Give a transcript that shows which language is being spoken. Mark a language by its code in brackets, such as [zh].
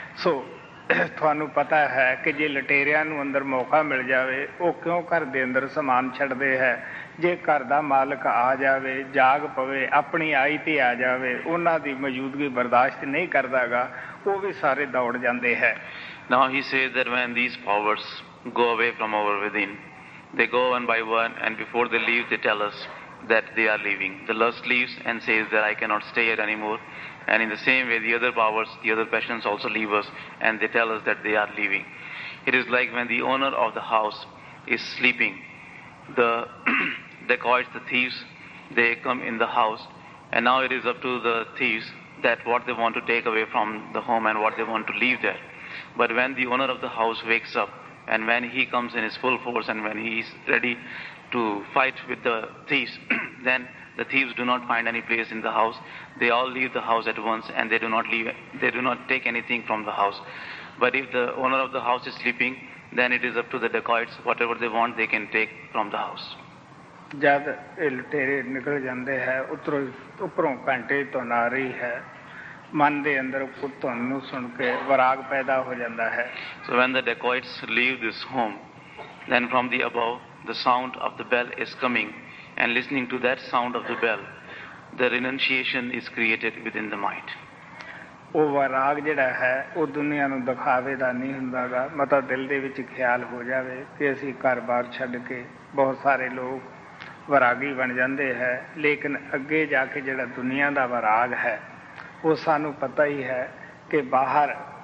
[pa] ਸੋ ਤੁਹਾਨੂੰ ਪਤਾ ਹੈ ਕਿ ਜੇ ਲੁਟੇਰਿਆਂ ਨੂੰ ਅੰਦਰ ਮੌਕਾ ਮਿਲ ਜਾਵੇ ਉਹ ਕਿਉਂ ਘਰ ਦੇ ਅੰਦਰ ਸਮਾਨ ਛੱਡਦੇ ਹੈ, ਜੇ ਘਰ ਦਾ ਮਾਲਕ ਆ ਜਾਵੇ, ਜਾਗ ਪਵੇ, ਆਪਣੀ ਆਈ 'ਤੇ ਆ ਜਾਵੇ, ਉਹਨਾਂ ਦੀ ਮੌਜੂਦਗੀ ਬਰਦਾਸ਼ਤ ਨਹੀਂ ਕਰਦਾ ਗਾ, ਉਹ ਵੀ ਸਾਰੇ ਦੌੜ ਜਾਂਦੇ ਹੈ। [en] Now he says that when these powers go away from our within, they go one by one, and before they leave they tell us that they are leaving. The lust leaves and says that I cannot stay here anymore, and in the same way the other powers, the other passions also leave us and they tell us that they are leaving. It is like when the owner of the house is sleeping, the dacoits, the thieves, they come in the house, and now it is up to the thieves that what they want to take away from the home and what they want to leave there. But when the owner of the house wakes up and when he comes in his full force and when he is ready to fight with the thieves, then the thieves do not find any place in the house. They all leave the house at once and they do not take anything from the house. But if the owner of the house is sleeping, then it is up to the dacoits, whatever they want they can take from the house. [pa] ਜਦ ਇਹ ਲੁਟੇਰੇ ਨਿਕਲ ਜਾਂਦੇ ਹੈ ਉਤਰੋ ਉੱਪਰੋਂ ਘੰਟੇ ਧੁਨ ਆ ਰਹੀ ਹੈ, ਮਨ ਦੇ ਅੰਦਰ ਧੁਨ ਨੂੰ ਸੁਣ ਕੇ ਵਿਰਾਗ ਪੈਦਾ ਹੋ ਜਾਂਦਾ ਹੈ। [en] So when the dacoits leave this home, then from the above the sound of the bell is coming, and listening to that sound of the bell, the renunciation is created within the mind. [pa] ਉਹ ਵਿਰਾਗ ਜਿਹੜਾ ਹੈ ਉਹ ਦੁਨੀਆਂ ਨੂੰ ਦਿਖਾਵੇ ਦਾ ਨਹੀਂ ਹੁੰਦਾ ਗਾ, ਮਤਲਬ ਦਿਲ ਦੇ ਵਿੱਚ ਖਿਆਲ ਹੋ ਜਾਵੇ ਕਿ ਅਸੀਂ ਘਰ ਬਾਰ ਛੱਡ ਕੇ, ਬਹੁਤ ਸਾਰੇ ਲੋਕ ਵਿਰਾਗੀ ਬਣ ਜਾਂਦੇ ਹੈ, ਲੇਕਿਨ ਅੱਗੇ ਜਾ ਕੇ ਜਿਹੜਾ ਦੁਨੀਆਂ ਦਾ ਵਿਰਾਗ ਹੈ ਉਹ ਸਾਨੂੰ ਪਤਾ ਹੀ ਹੈ ਕਿ ਬਾਹਰ